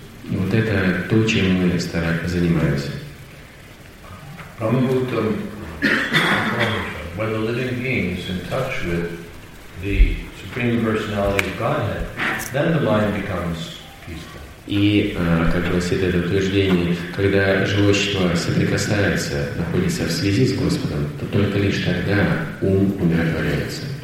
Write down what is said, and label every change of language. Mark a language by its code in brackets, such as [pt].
[ru] И вот это то, чем мы занимаемся. [en] When the living being is in touch with the Supreme Personality of Godhead, then the mind becomes peaceful. [ru] И, как гласит это утверждение, когда живое существо соприкасается, находится в связи с Господом, то только лишь тогда ум умиротворяется.